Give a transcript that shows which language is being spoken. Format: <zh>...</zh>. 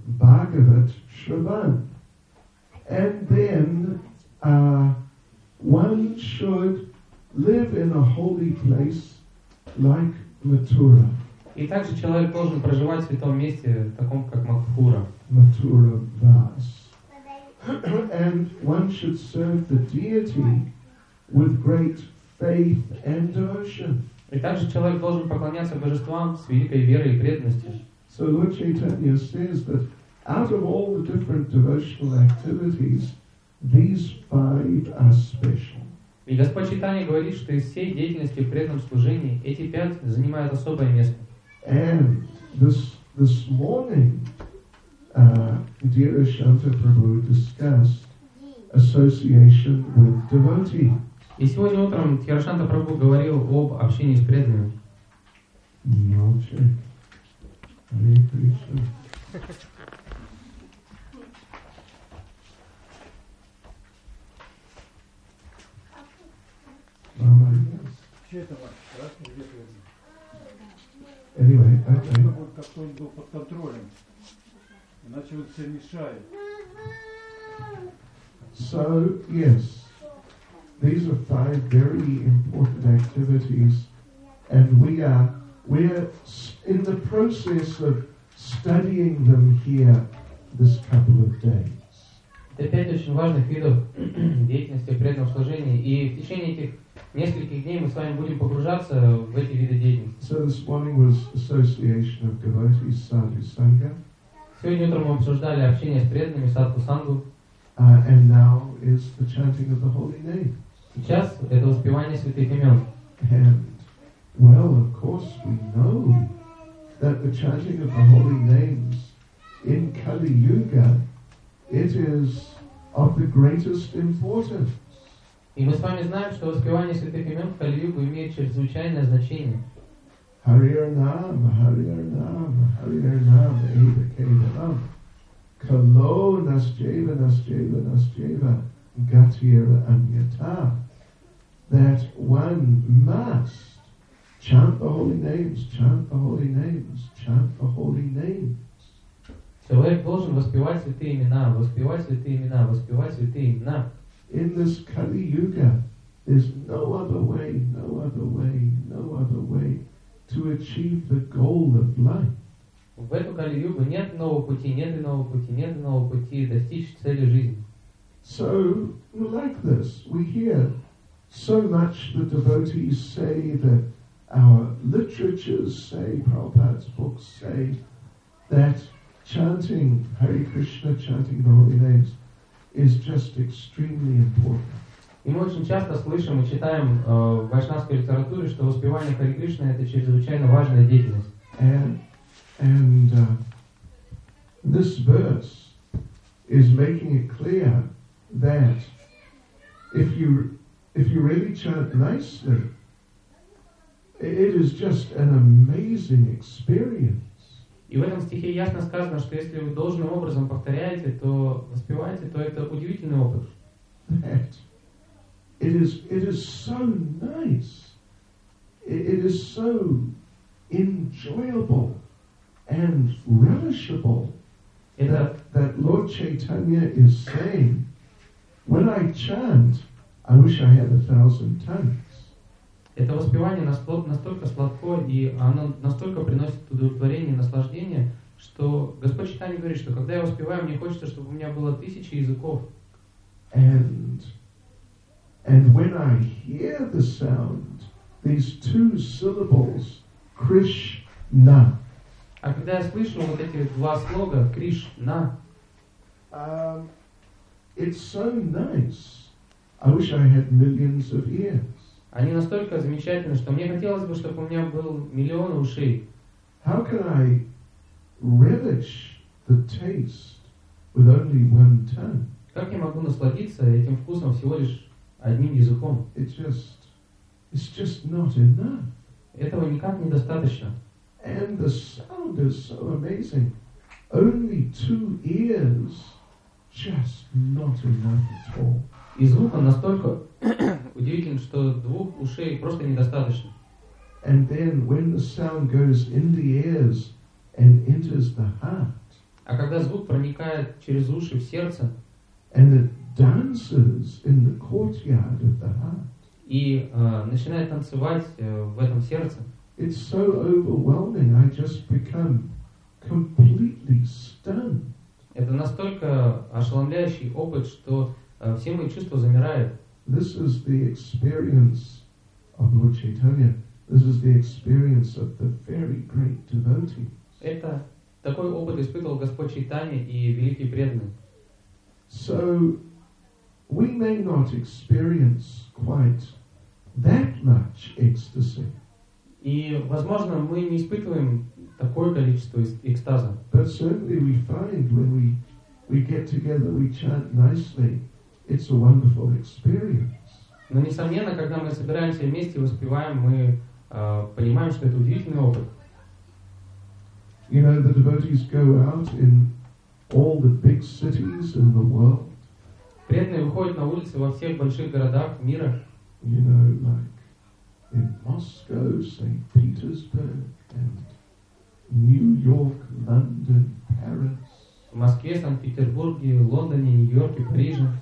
<en>Bhagavat Shravan. And then one should live in a holy place like Mathura.</en> <ru>И также человек должен проживать в святом месте, таком как Мадхура.</ru> <sa>Mathura Vas.</sa> <en>And one should serve the deity with great faith and devotion.</en> <ru>И также человек должен поклоняться божествам с великой верой и преданностью.</ru> <en>So Lord Chaitanya says that out of all the different devotional activities, these five are special.</en> <ru>И Господь Чайтанья говорит, что из всей деятельности в преданном служении эти пять занимают особое место.</ru> <en>And this morning, dear Ashanta Prabhu discussed association with devotees.</en> <ru>И сегодня утром Тхирашанта Прабху говорил об общении с преданными. Молча. Hare Krishna. Мама,</ru> <en>yes. Anyway, okay.</en> <ru>Чтобы как-то он был под контролем. Иначе он все мешает.</ru> <en>So, yes. These are five very important activities, and we are in the process of studying them here this couple of days.</en> <ru>Это пять очень важных видов деятельности преданного служения, и в течение этих нескольких дней мы с вами будем погружаться в эти виды деятельности.</ru> <en>So this morning was association of devotees, sadhu sangha.</en> <ru>Сегодня утром мы обсуждали общение с преданными, садху сангу.</ru> <en>And now is the chanting of the holy name.</en> <ru>Сейчас это воспевание святых имен.</ru> <en>And, well, of course, we know that the chanting of the holy names in Kali Yuga, it is of the greatest importance.</en> <ru>И мы с вами знаем, что воспевание святых имен в Кали Югу имеет чрезвычайное значение.</ru> <sa>Hari Arnam, Hari Arnam, Hari Arnam, Eva Kedaram, Kalo Nasjeva, Nasjeva, Nasjeva, Gatir Anyata.</sa> <en>That one must chant the holy names, chant the holy names, chant the holy names.</en> <ru>Человек должен воспевать святые имена, воспевать святые имена, воспевать святые имена.</ru> <en>In this Kali Yuga, there's no other way, no other way, no other way to achieve the goal of life.</en> <ru>В эту Кали Югу нет нового пути, нет иного пути, нет иного пути достичь цели жизни.</ru> <en>So, like this, we hear. So much the devotees say that our literatures say, Prabhupada's books say, that chanting Hare Krishna, chanting the holy names, is just extremely important.</en> <ru>И мы очень часто слышим и читаем в вайшнавской литературе, что воспевание Хари Кришны это чрезвычайно важная деятельность.</ru> <en>And this verse is making it clear that if you really chant nicely, it is just an amazing experience.</en> <ru>И в этом стихе ясно сказано, что если вы должным образом повторяете, то воспеваете, то это удивительный опыт.</ru> <en>It is so nice. It is so enjoyable and relishable that Lord Chaitanya is saying, when I chant, I wish I had 1,000 tongues.</en> <ru>Это воспевание настолько сладко, и оно настолько приносит удовлетворение и наслаждение, что Господь Чайтанья говорит, что когда я воспеваю, мне хочется, чтобы у меня было 1,000 языков.</ru> <en>And when I hear the sound, these two syllables, Krishna.</en> <ru>А когда я слышу вот эти два слога, Кришна.</ru> <en>It's so nice. I wish I had millions of ears.</en> <ru>Они настолько замечательны, что мне хотелось бы, чтобы у меня был миллион ушей.</ru> <en>How can I relish the taste with only one tongue?</en> <ru>Как я могу насладиться этим вкусом всего лишь одним языком?</ru> <en>It's just not enough.</en> <ru>Этого никак недостаточно.</ru> <en>And the sound is so amazing. Only two ears, just not enough at all.</en> <ru>И звук он настолько удивителен, что двух ушей просто недостаточно.</ru> <en>And then when the sound goes in the ears and enters the heart,</en> <ru>а когда звук проникает через уши в сердце,</ru> <en>and it dances in the courtyard of the heart,</en> <ru>и начинает танцевать в этом сердце,</ru> <en>it's so overwhelming, I just become completely stunned.</en> <ru>Это настолько ошеломляющий опыт, что все мои чувства замирают.</ru> <en>This is the experience of Lord Chaitanya. This is the experience of the very great devotee.</en> <ru>Это такой опыт испытывал Господь Чайтанья и великий преданный.</ru> <en>So we may not experience quite that much ecstasy.</en> <ru>И, возможно, мы не испытываем такое количество экстаза.</ru> <en>But certainly we find when we get together, we chant nicely. It's a wonderful experience.</en> <ru>Но несомненно, когда мы собираемся вместе и воспеваем, мы понимаем, что это удивительный опыт.</ru> <en>You know, the devotees go out in all the big cities in the world.</en> <ru>Преданные выходят на улицы во всех больших городах мира.</ru> <en>You know, like in Moscow, St. Petersburg, and New York, London, Paris.</en> <ru>В Москве, Санкт-Петербурге, Лондоне, Нью-Йорке, Париже.</ru>